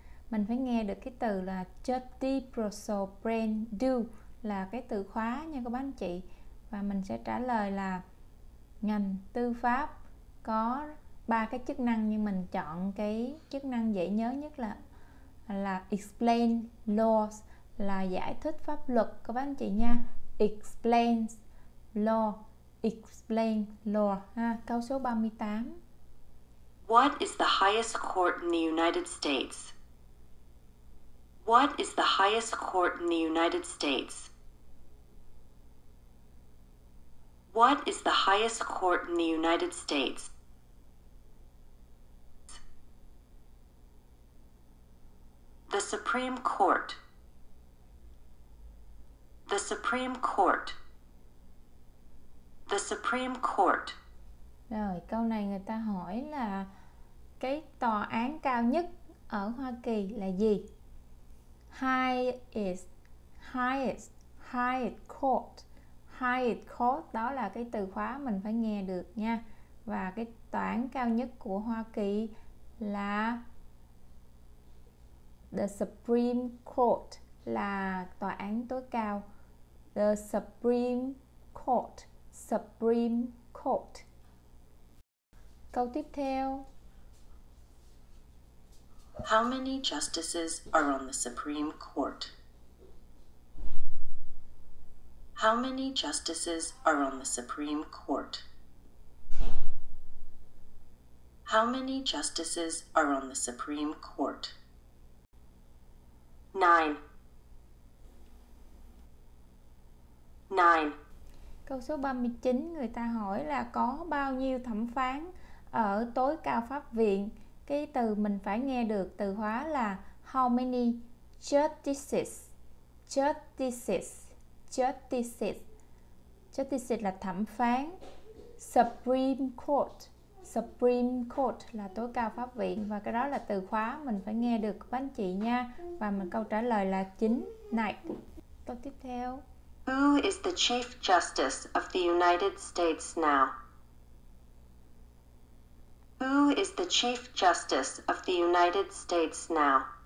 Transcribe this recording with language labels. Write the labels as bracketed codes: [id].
[vi] Mình phải nghe được cái từ là judicial branch do là cái từ khóa nha các bác anh chị, và mình sẽ trả lời là ngành tư pháp có ba cái chức năng, nhưng mình chọn cái chức năng dễ nhớ nhất là [en] explain laws, [vi] là giải thích pháp luật các bác anh chị nha. [en] Explain law, explain law ha. [vi] Câu số 38. [en] What is the highest court in the United States? What is the highest court in the United States? What is the highest court in the United States? The Supreme Court. The Supreme Court. The Supreme Court. [vi] Rồi, câu này người ta hỏi là cái tòa án cao nhất ở Hoa Kỳ là gì? [en] Highest, highest, highest court. Highest court, [vi] đó là cái từ khóa mình phải nghe được nha. Và cái tòa án cao nhất của Hoa Kỳ là The Supreme Court, là tòa án tối cao. [en] The Supreme Court, Supreme Court. [vi] Câu tiếp theo. [en] How many justices are on the Supreme Court? How many justices are on the Supreme Court? How many justices are on the Supreme Court? 9. [vi] Câu số 39, người ta hỏi là có bao nhiêu thẩm phán ở tối cao pháp viện? Cái từ mình phải nghe được từ hóa là [en] how many justices? Justices. Justices. Justices [vi] là thẩm phán. [en] Supreme Court. [vi] Supreme Court là tối cao pháp viện. Và cái đó là từ khóa mình phải nghe được của anh chị nha. Và mình câu trả lời là chính này. Câu tiếp theo. [en] Who is the Chief Justice of the United States now? Who is the Chief Justice of the United States now?